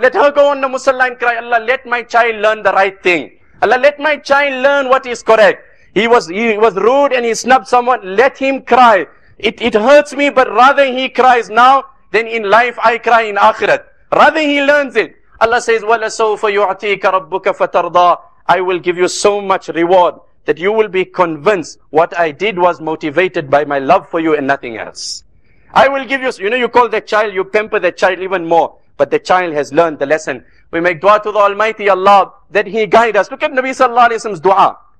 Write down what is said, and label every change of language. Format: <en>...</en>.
<en>Let her go on the musalla and cry, Allah, let my child learn the right thing. Allah, let my child learn what is correct. He was rude and he snubbed someone. Let him cry. It hurts me, but rather he cries now than in life I cry in akhirat. Rather he learns it. Allah says,</en> <ar>وَلَسَوْفَ يُعْتِيكَ رَبُّكَ فَتَرْضَى.</ar> <en>I will give you so much reward that you will be convinced what I did was motivated by my love for you and nothing else. I will give you, you know, you call the child, you pamper the child even more, but the child has learned the lesson. We make dua to the Almighty Allah that He guide us. Look at Nabi Sallallahu Alaihi Wasallam's dua.</en>